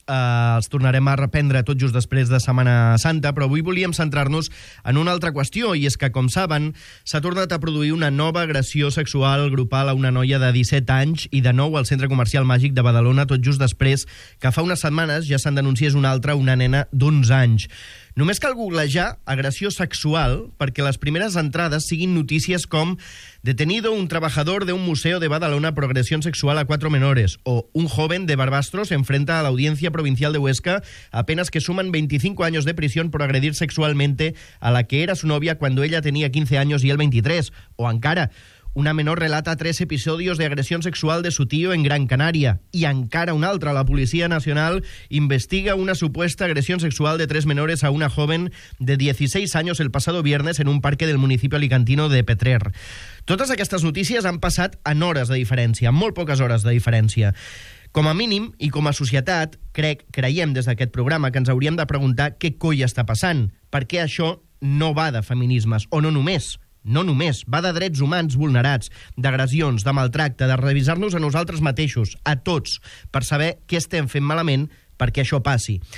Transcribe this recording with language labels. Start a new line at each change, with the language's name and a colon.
Catalan: Els tornarem a reprendre tot just després de Setmana Santa, però avui volíem centrar-nos en una altra qüestió, i és que, com saben, s'ha tornat a produir una nova agressió sexual grupal a una noia de 17 anys i de nou al Centre Comercial Màgic de Badalona, tot just després que fa unes setmanes ja se'n denunciés una altra, una nena d'11 anys. Només cal googlejar agressió sexual perquè les primeres entrades siguin notícies com
Spanish: detenido un trabajador de un museo de Badalona por agresión sexual a 4 menores o un joven de Barbastro se enfrenta a la Audiencia Provincial de Huesca apenas que suman 25 años de prisión por agredir sexualmente a la que era su novia cuando ella tenía 15 años y él 23.
Catalan: O encara,
Spanish: una menor relata 3 episodios de agresión sexual de su tío en Gran Canaria. Y encara una otra, la Policía Nacional investiga una supuesta agresión sexual de 3 menores a una joven de 16 años el pasado viernes en un parque del municipio alicantino de Petrer.
Catalan: Totes aquestes notícies han passat en hores de diferència, molt poques hores de diferència. Com a mínim, i com a societat, creiem des d'aquest programa que ens hauríem de preguntar què coi està passant, perquè això no va de feminismes, o no només. No només, va de drets humans vulnerats, d'agressions, de maltracte, de revisar-nos a nosaltres mateixos, a tots, per saber què estem fent malament perquè això passi.